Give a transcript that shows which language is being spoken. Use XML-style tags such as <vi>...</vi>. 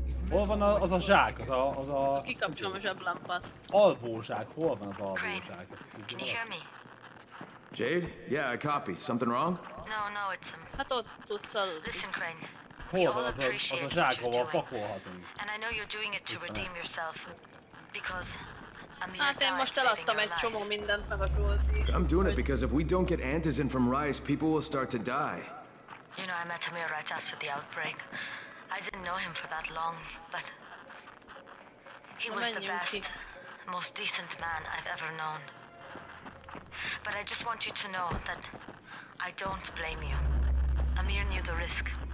<hu>Hol van az a zsák? Az a... Kikapcsolom a zseblámpát. Alvó zsák. Hol van az alvó zsák? Ezt tudja.</hu> <en>Can you hear me? Jade? Yeah, I copy. Something wrong? No, it's...</en> <hu>Hát ott tudsz aludni.</hu> <en>Listen, Crane.</en> <hu>Hol van az a zsák, ahol pakolhatunk?</hu> <en>And I know you're doing it to redeem yourself. Because...</en> <hu>Hát én most eladtam egy csomó mindent meg a Zsolti.</hu> <en>I'm doing it because if we don't get Antizin from Ryze, people will start to die. You know, I met Amir right after the outbreak. I didn't know him for that long, but he was the best, most decent man I've ever known. But I just want you to know that I don't blame you. Amir knew the risk.</en>